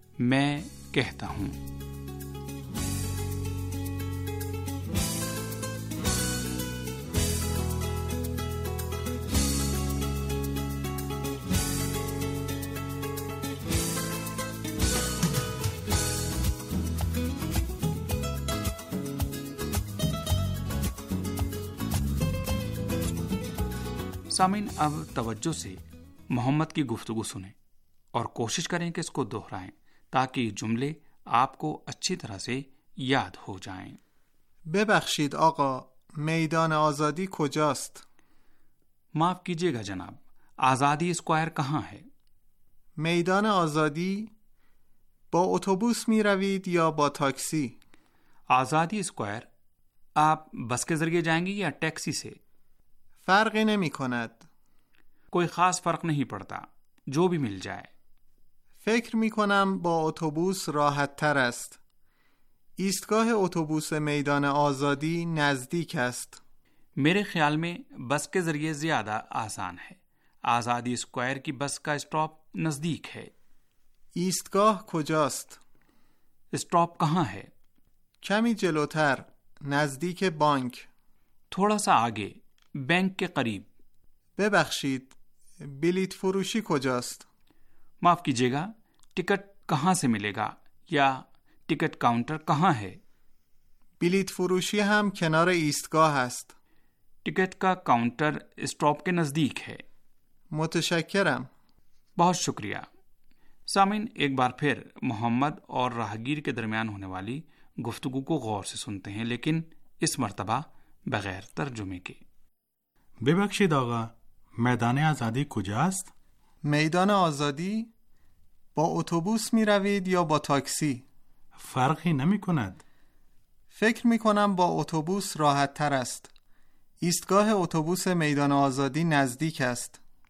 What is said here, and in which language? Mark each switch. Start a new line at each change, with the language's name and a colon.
Urdu: میں کہتا ہوں۔ سامعین، اب توجہ سے محمد کی گفتگو سنیں اور کوشش کریں کہ اس کو دہرائیں تاکہ یہ جملے آپ کو اچھی طرح سے یاد ہو جائیں۔
Persian: ببخشید آقا، میدان آزادی کجاست؟
Urdu: معاف کیجیے گا جناب، آزادی اسکوائر کہاں ہے؟
Persian: میدان آزادی، با اتوبوس می روید یا با تاکسی؟
Urdu: آزادی اسکوائر، آپ بس کے ذریعے جائیں گے یا ٹیکسی سے؟
Persian: فرقی نمی کند،
Urdu: کوئی خاص فرق نہیں پڑتا، جو بھی مل جائے۔
Persian: فکر می کنم با اتوبوس راحت تر است، ایستگاه اتوبوس میدان آزادی نزدیک است۔
Urdu: میرے خیال میں بس کے ذریعے زیادہ آسان ہے، آزادی اسکوائر کی بس کا اسٹاپ نزدیک ہے۔
Persian: ایستگاه کجاست؟
Urdu: اسٹاپ کہاں ہے؟
Persian: کمی جلوتر، نزدیک بانک،
Urdu: تھوڑا سا آگے، بینک کے قریب۔
Persian: ببخشید، بلیت فروشی کجاست؟
Urdu: معاف کیجیے گا، ٹکٹ کہاں سے ملے گا یا ٹکٹ کاؤنٹر کہاں ہے؟
Persian: بلیت فروشی ہم کنار ایستگاہ ہست.
Urdu: ٹکٹ کا کاؤنٹر اسٹاپ کے نزدیک ہے.
Persian: متشکرم.
Urdu: بہت شکریہ. سامعین، ایک بار پھر محمد اور راہگیر کے درمیان ہونے والی گفتگو کو غور سے سنتے ہیں، لیکن اس مرتبہ بغیر ترجمے کے.
Persian: ببخشید آقا، میدان آزادی کجاست؟ میدان آزادی؟ با اتوبوس می روید یا با تاکسی؟ فرقی نمی کند. فکر می کنم با اتوبوس راحت تر است. ایستگاه اتوبوس میدان آزادی نزدیک است.